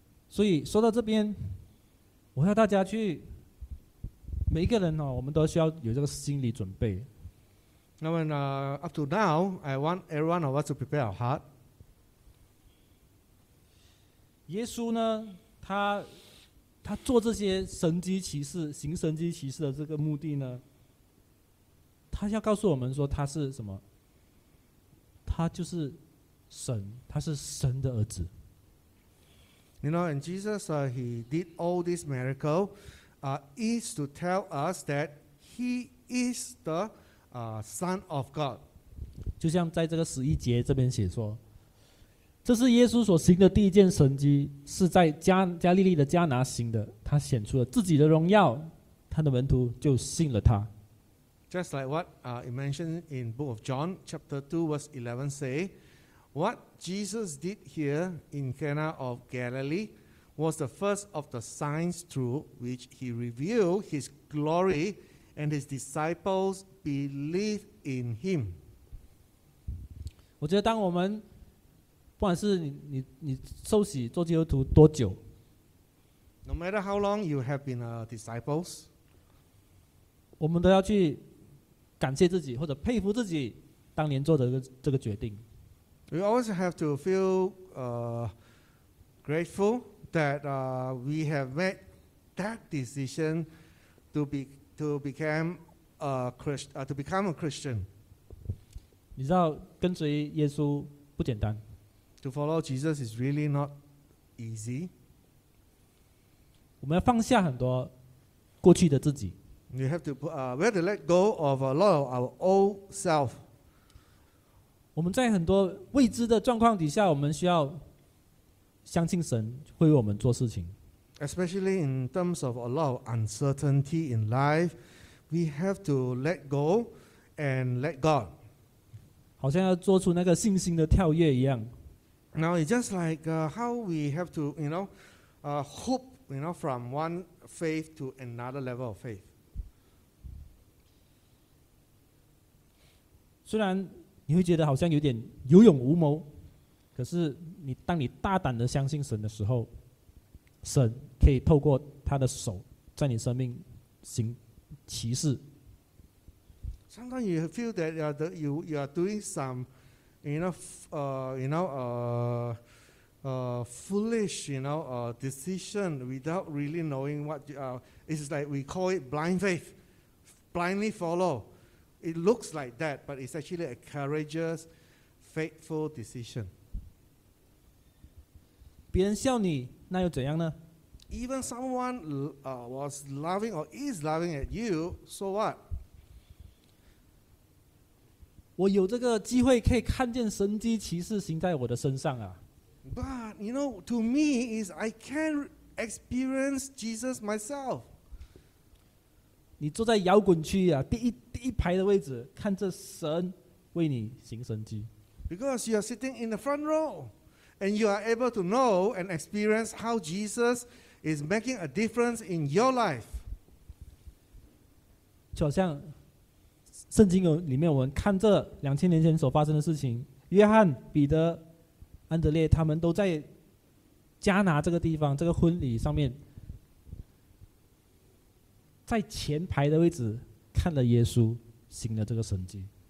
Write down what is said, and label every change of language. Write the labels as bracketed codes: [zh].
[zh] 所以说到这边，我要大家去，每一个人、哦、我们都需要有这个心理准备。 [en] 那么 up to now, I want everyone of us to prepare our heart. [zh] 耶稣呢，他做这些神迹奇事，行神迹奇事的这个目的呢，他要告诉我们说他是什么？他就是神，他是神的儿子。 [en] You know, and Jesus, he did all this miracle, is to tell us that he is the Son of God. [zh] 就像在这个十一节这边写说，这是耶稣所行的第一件神迹，是在加利利的加拿行的。他显出了自己的荣耀，他的门徒就信了他。 [en] Just like what it mentioned in Book of John, chapter 2, verse 11 say,What Jesus did here in Cana of Galilee was the first of the signs through which he revealed his glory, and his disciples believed in him. [zh] 我觉得当我们不管是你受洗做基督徒多久 [en] ，No matter how long you have been a disciples, [zh] 我们都要去感谢自己或者佩服自己当年做的这个决定。 [en] We always have to feel grateful that we have made that decision to become a Christian. [zh] 你知道跟随耶稣不简单。 [en] To follow Jesus is really not easy. [zh] 我们要放下很多过去的自己。 [en] We have to let go of a lot of our old self. [zh] 我们在很多未知的状况底下，我们需要相信神会为我们做事情。 [en] Especially in terms of a lot of uncertainty in life, we have to let go and let God. [zh] 好像要做出那个信心的跳跃一样。 [en] Now it's just like how we have to, you know, hop, you know, from one faith to another level of faith. [zh] 虽然你会觉得好像有点有勇无谋，可是你当你大胆的相信神的时候，神可以透过他的手在你生命行奇事。 [en] Sometimes you feel that you are doing some, foolish, decision without really knowing what you are. It's like we call it blind faith, blindly follow. It looks like that, but it's actually a courageous, faithful decision. [zh] 别人笑你，那又怎样呢？ [en] Even someone was laughing or is laughing at you, so what? [zh] 我有这个机会可以看见神迹奇事行在我的身上啊。 [en] But you know, to me is I can experience Jesus myself. [zh] 你坐在摇滚区啊，第一排的位置，看着神为你行神迹。 [en] Because you are sitting in the front row, and you are able to know and experience how Jesus. Is making a difference in your life. [zh] 就好像圣经里面我们看这两千年前所发生的事情，约翰、彼得、安德烈他们都在加拿这个地方这个婚礼上面，在前排的位置看了耶稣行了这个神迹。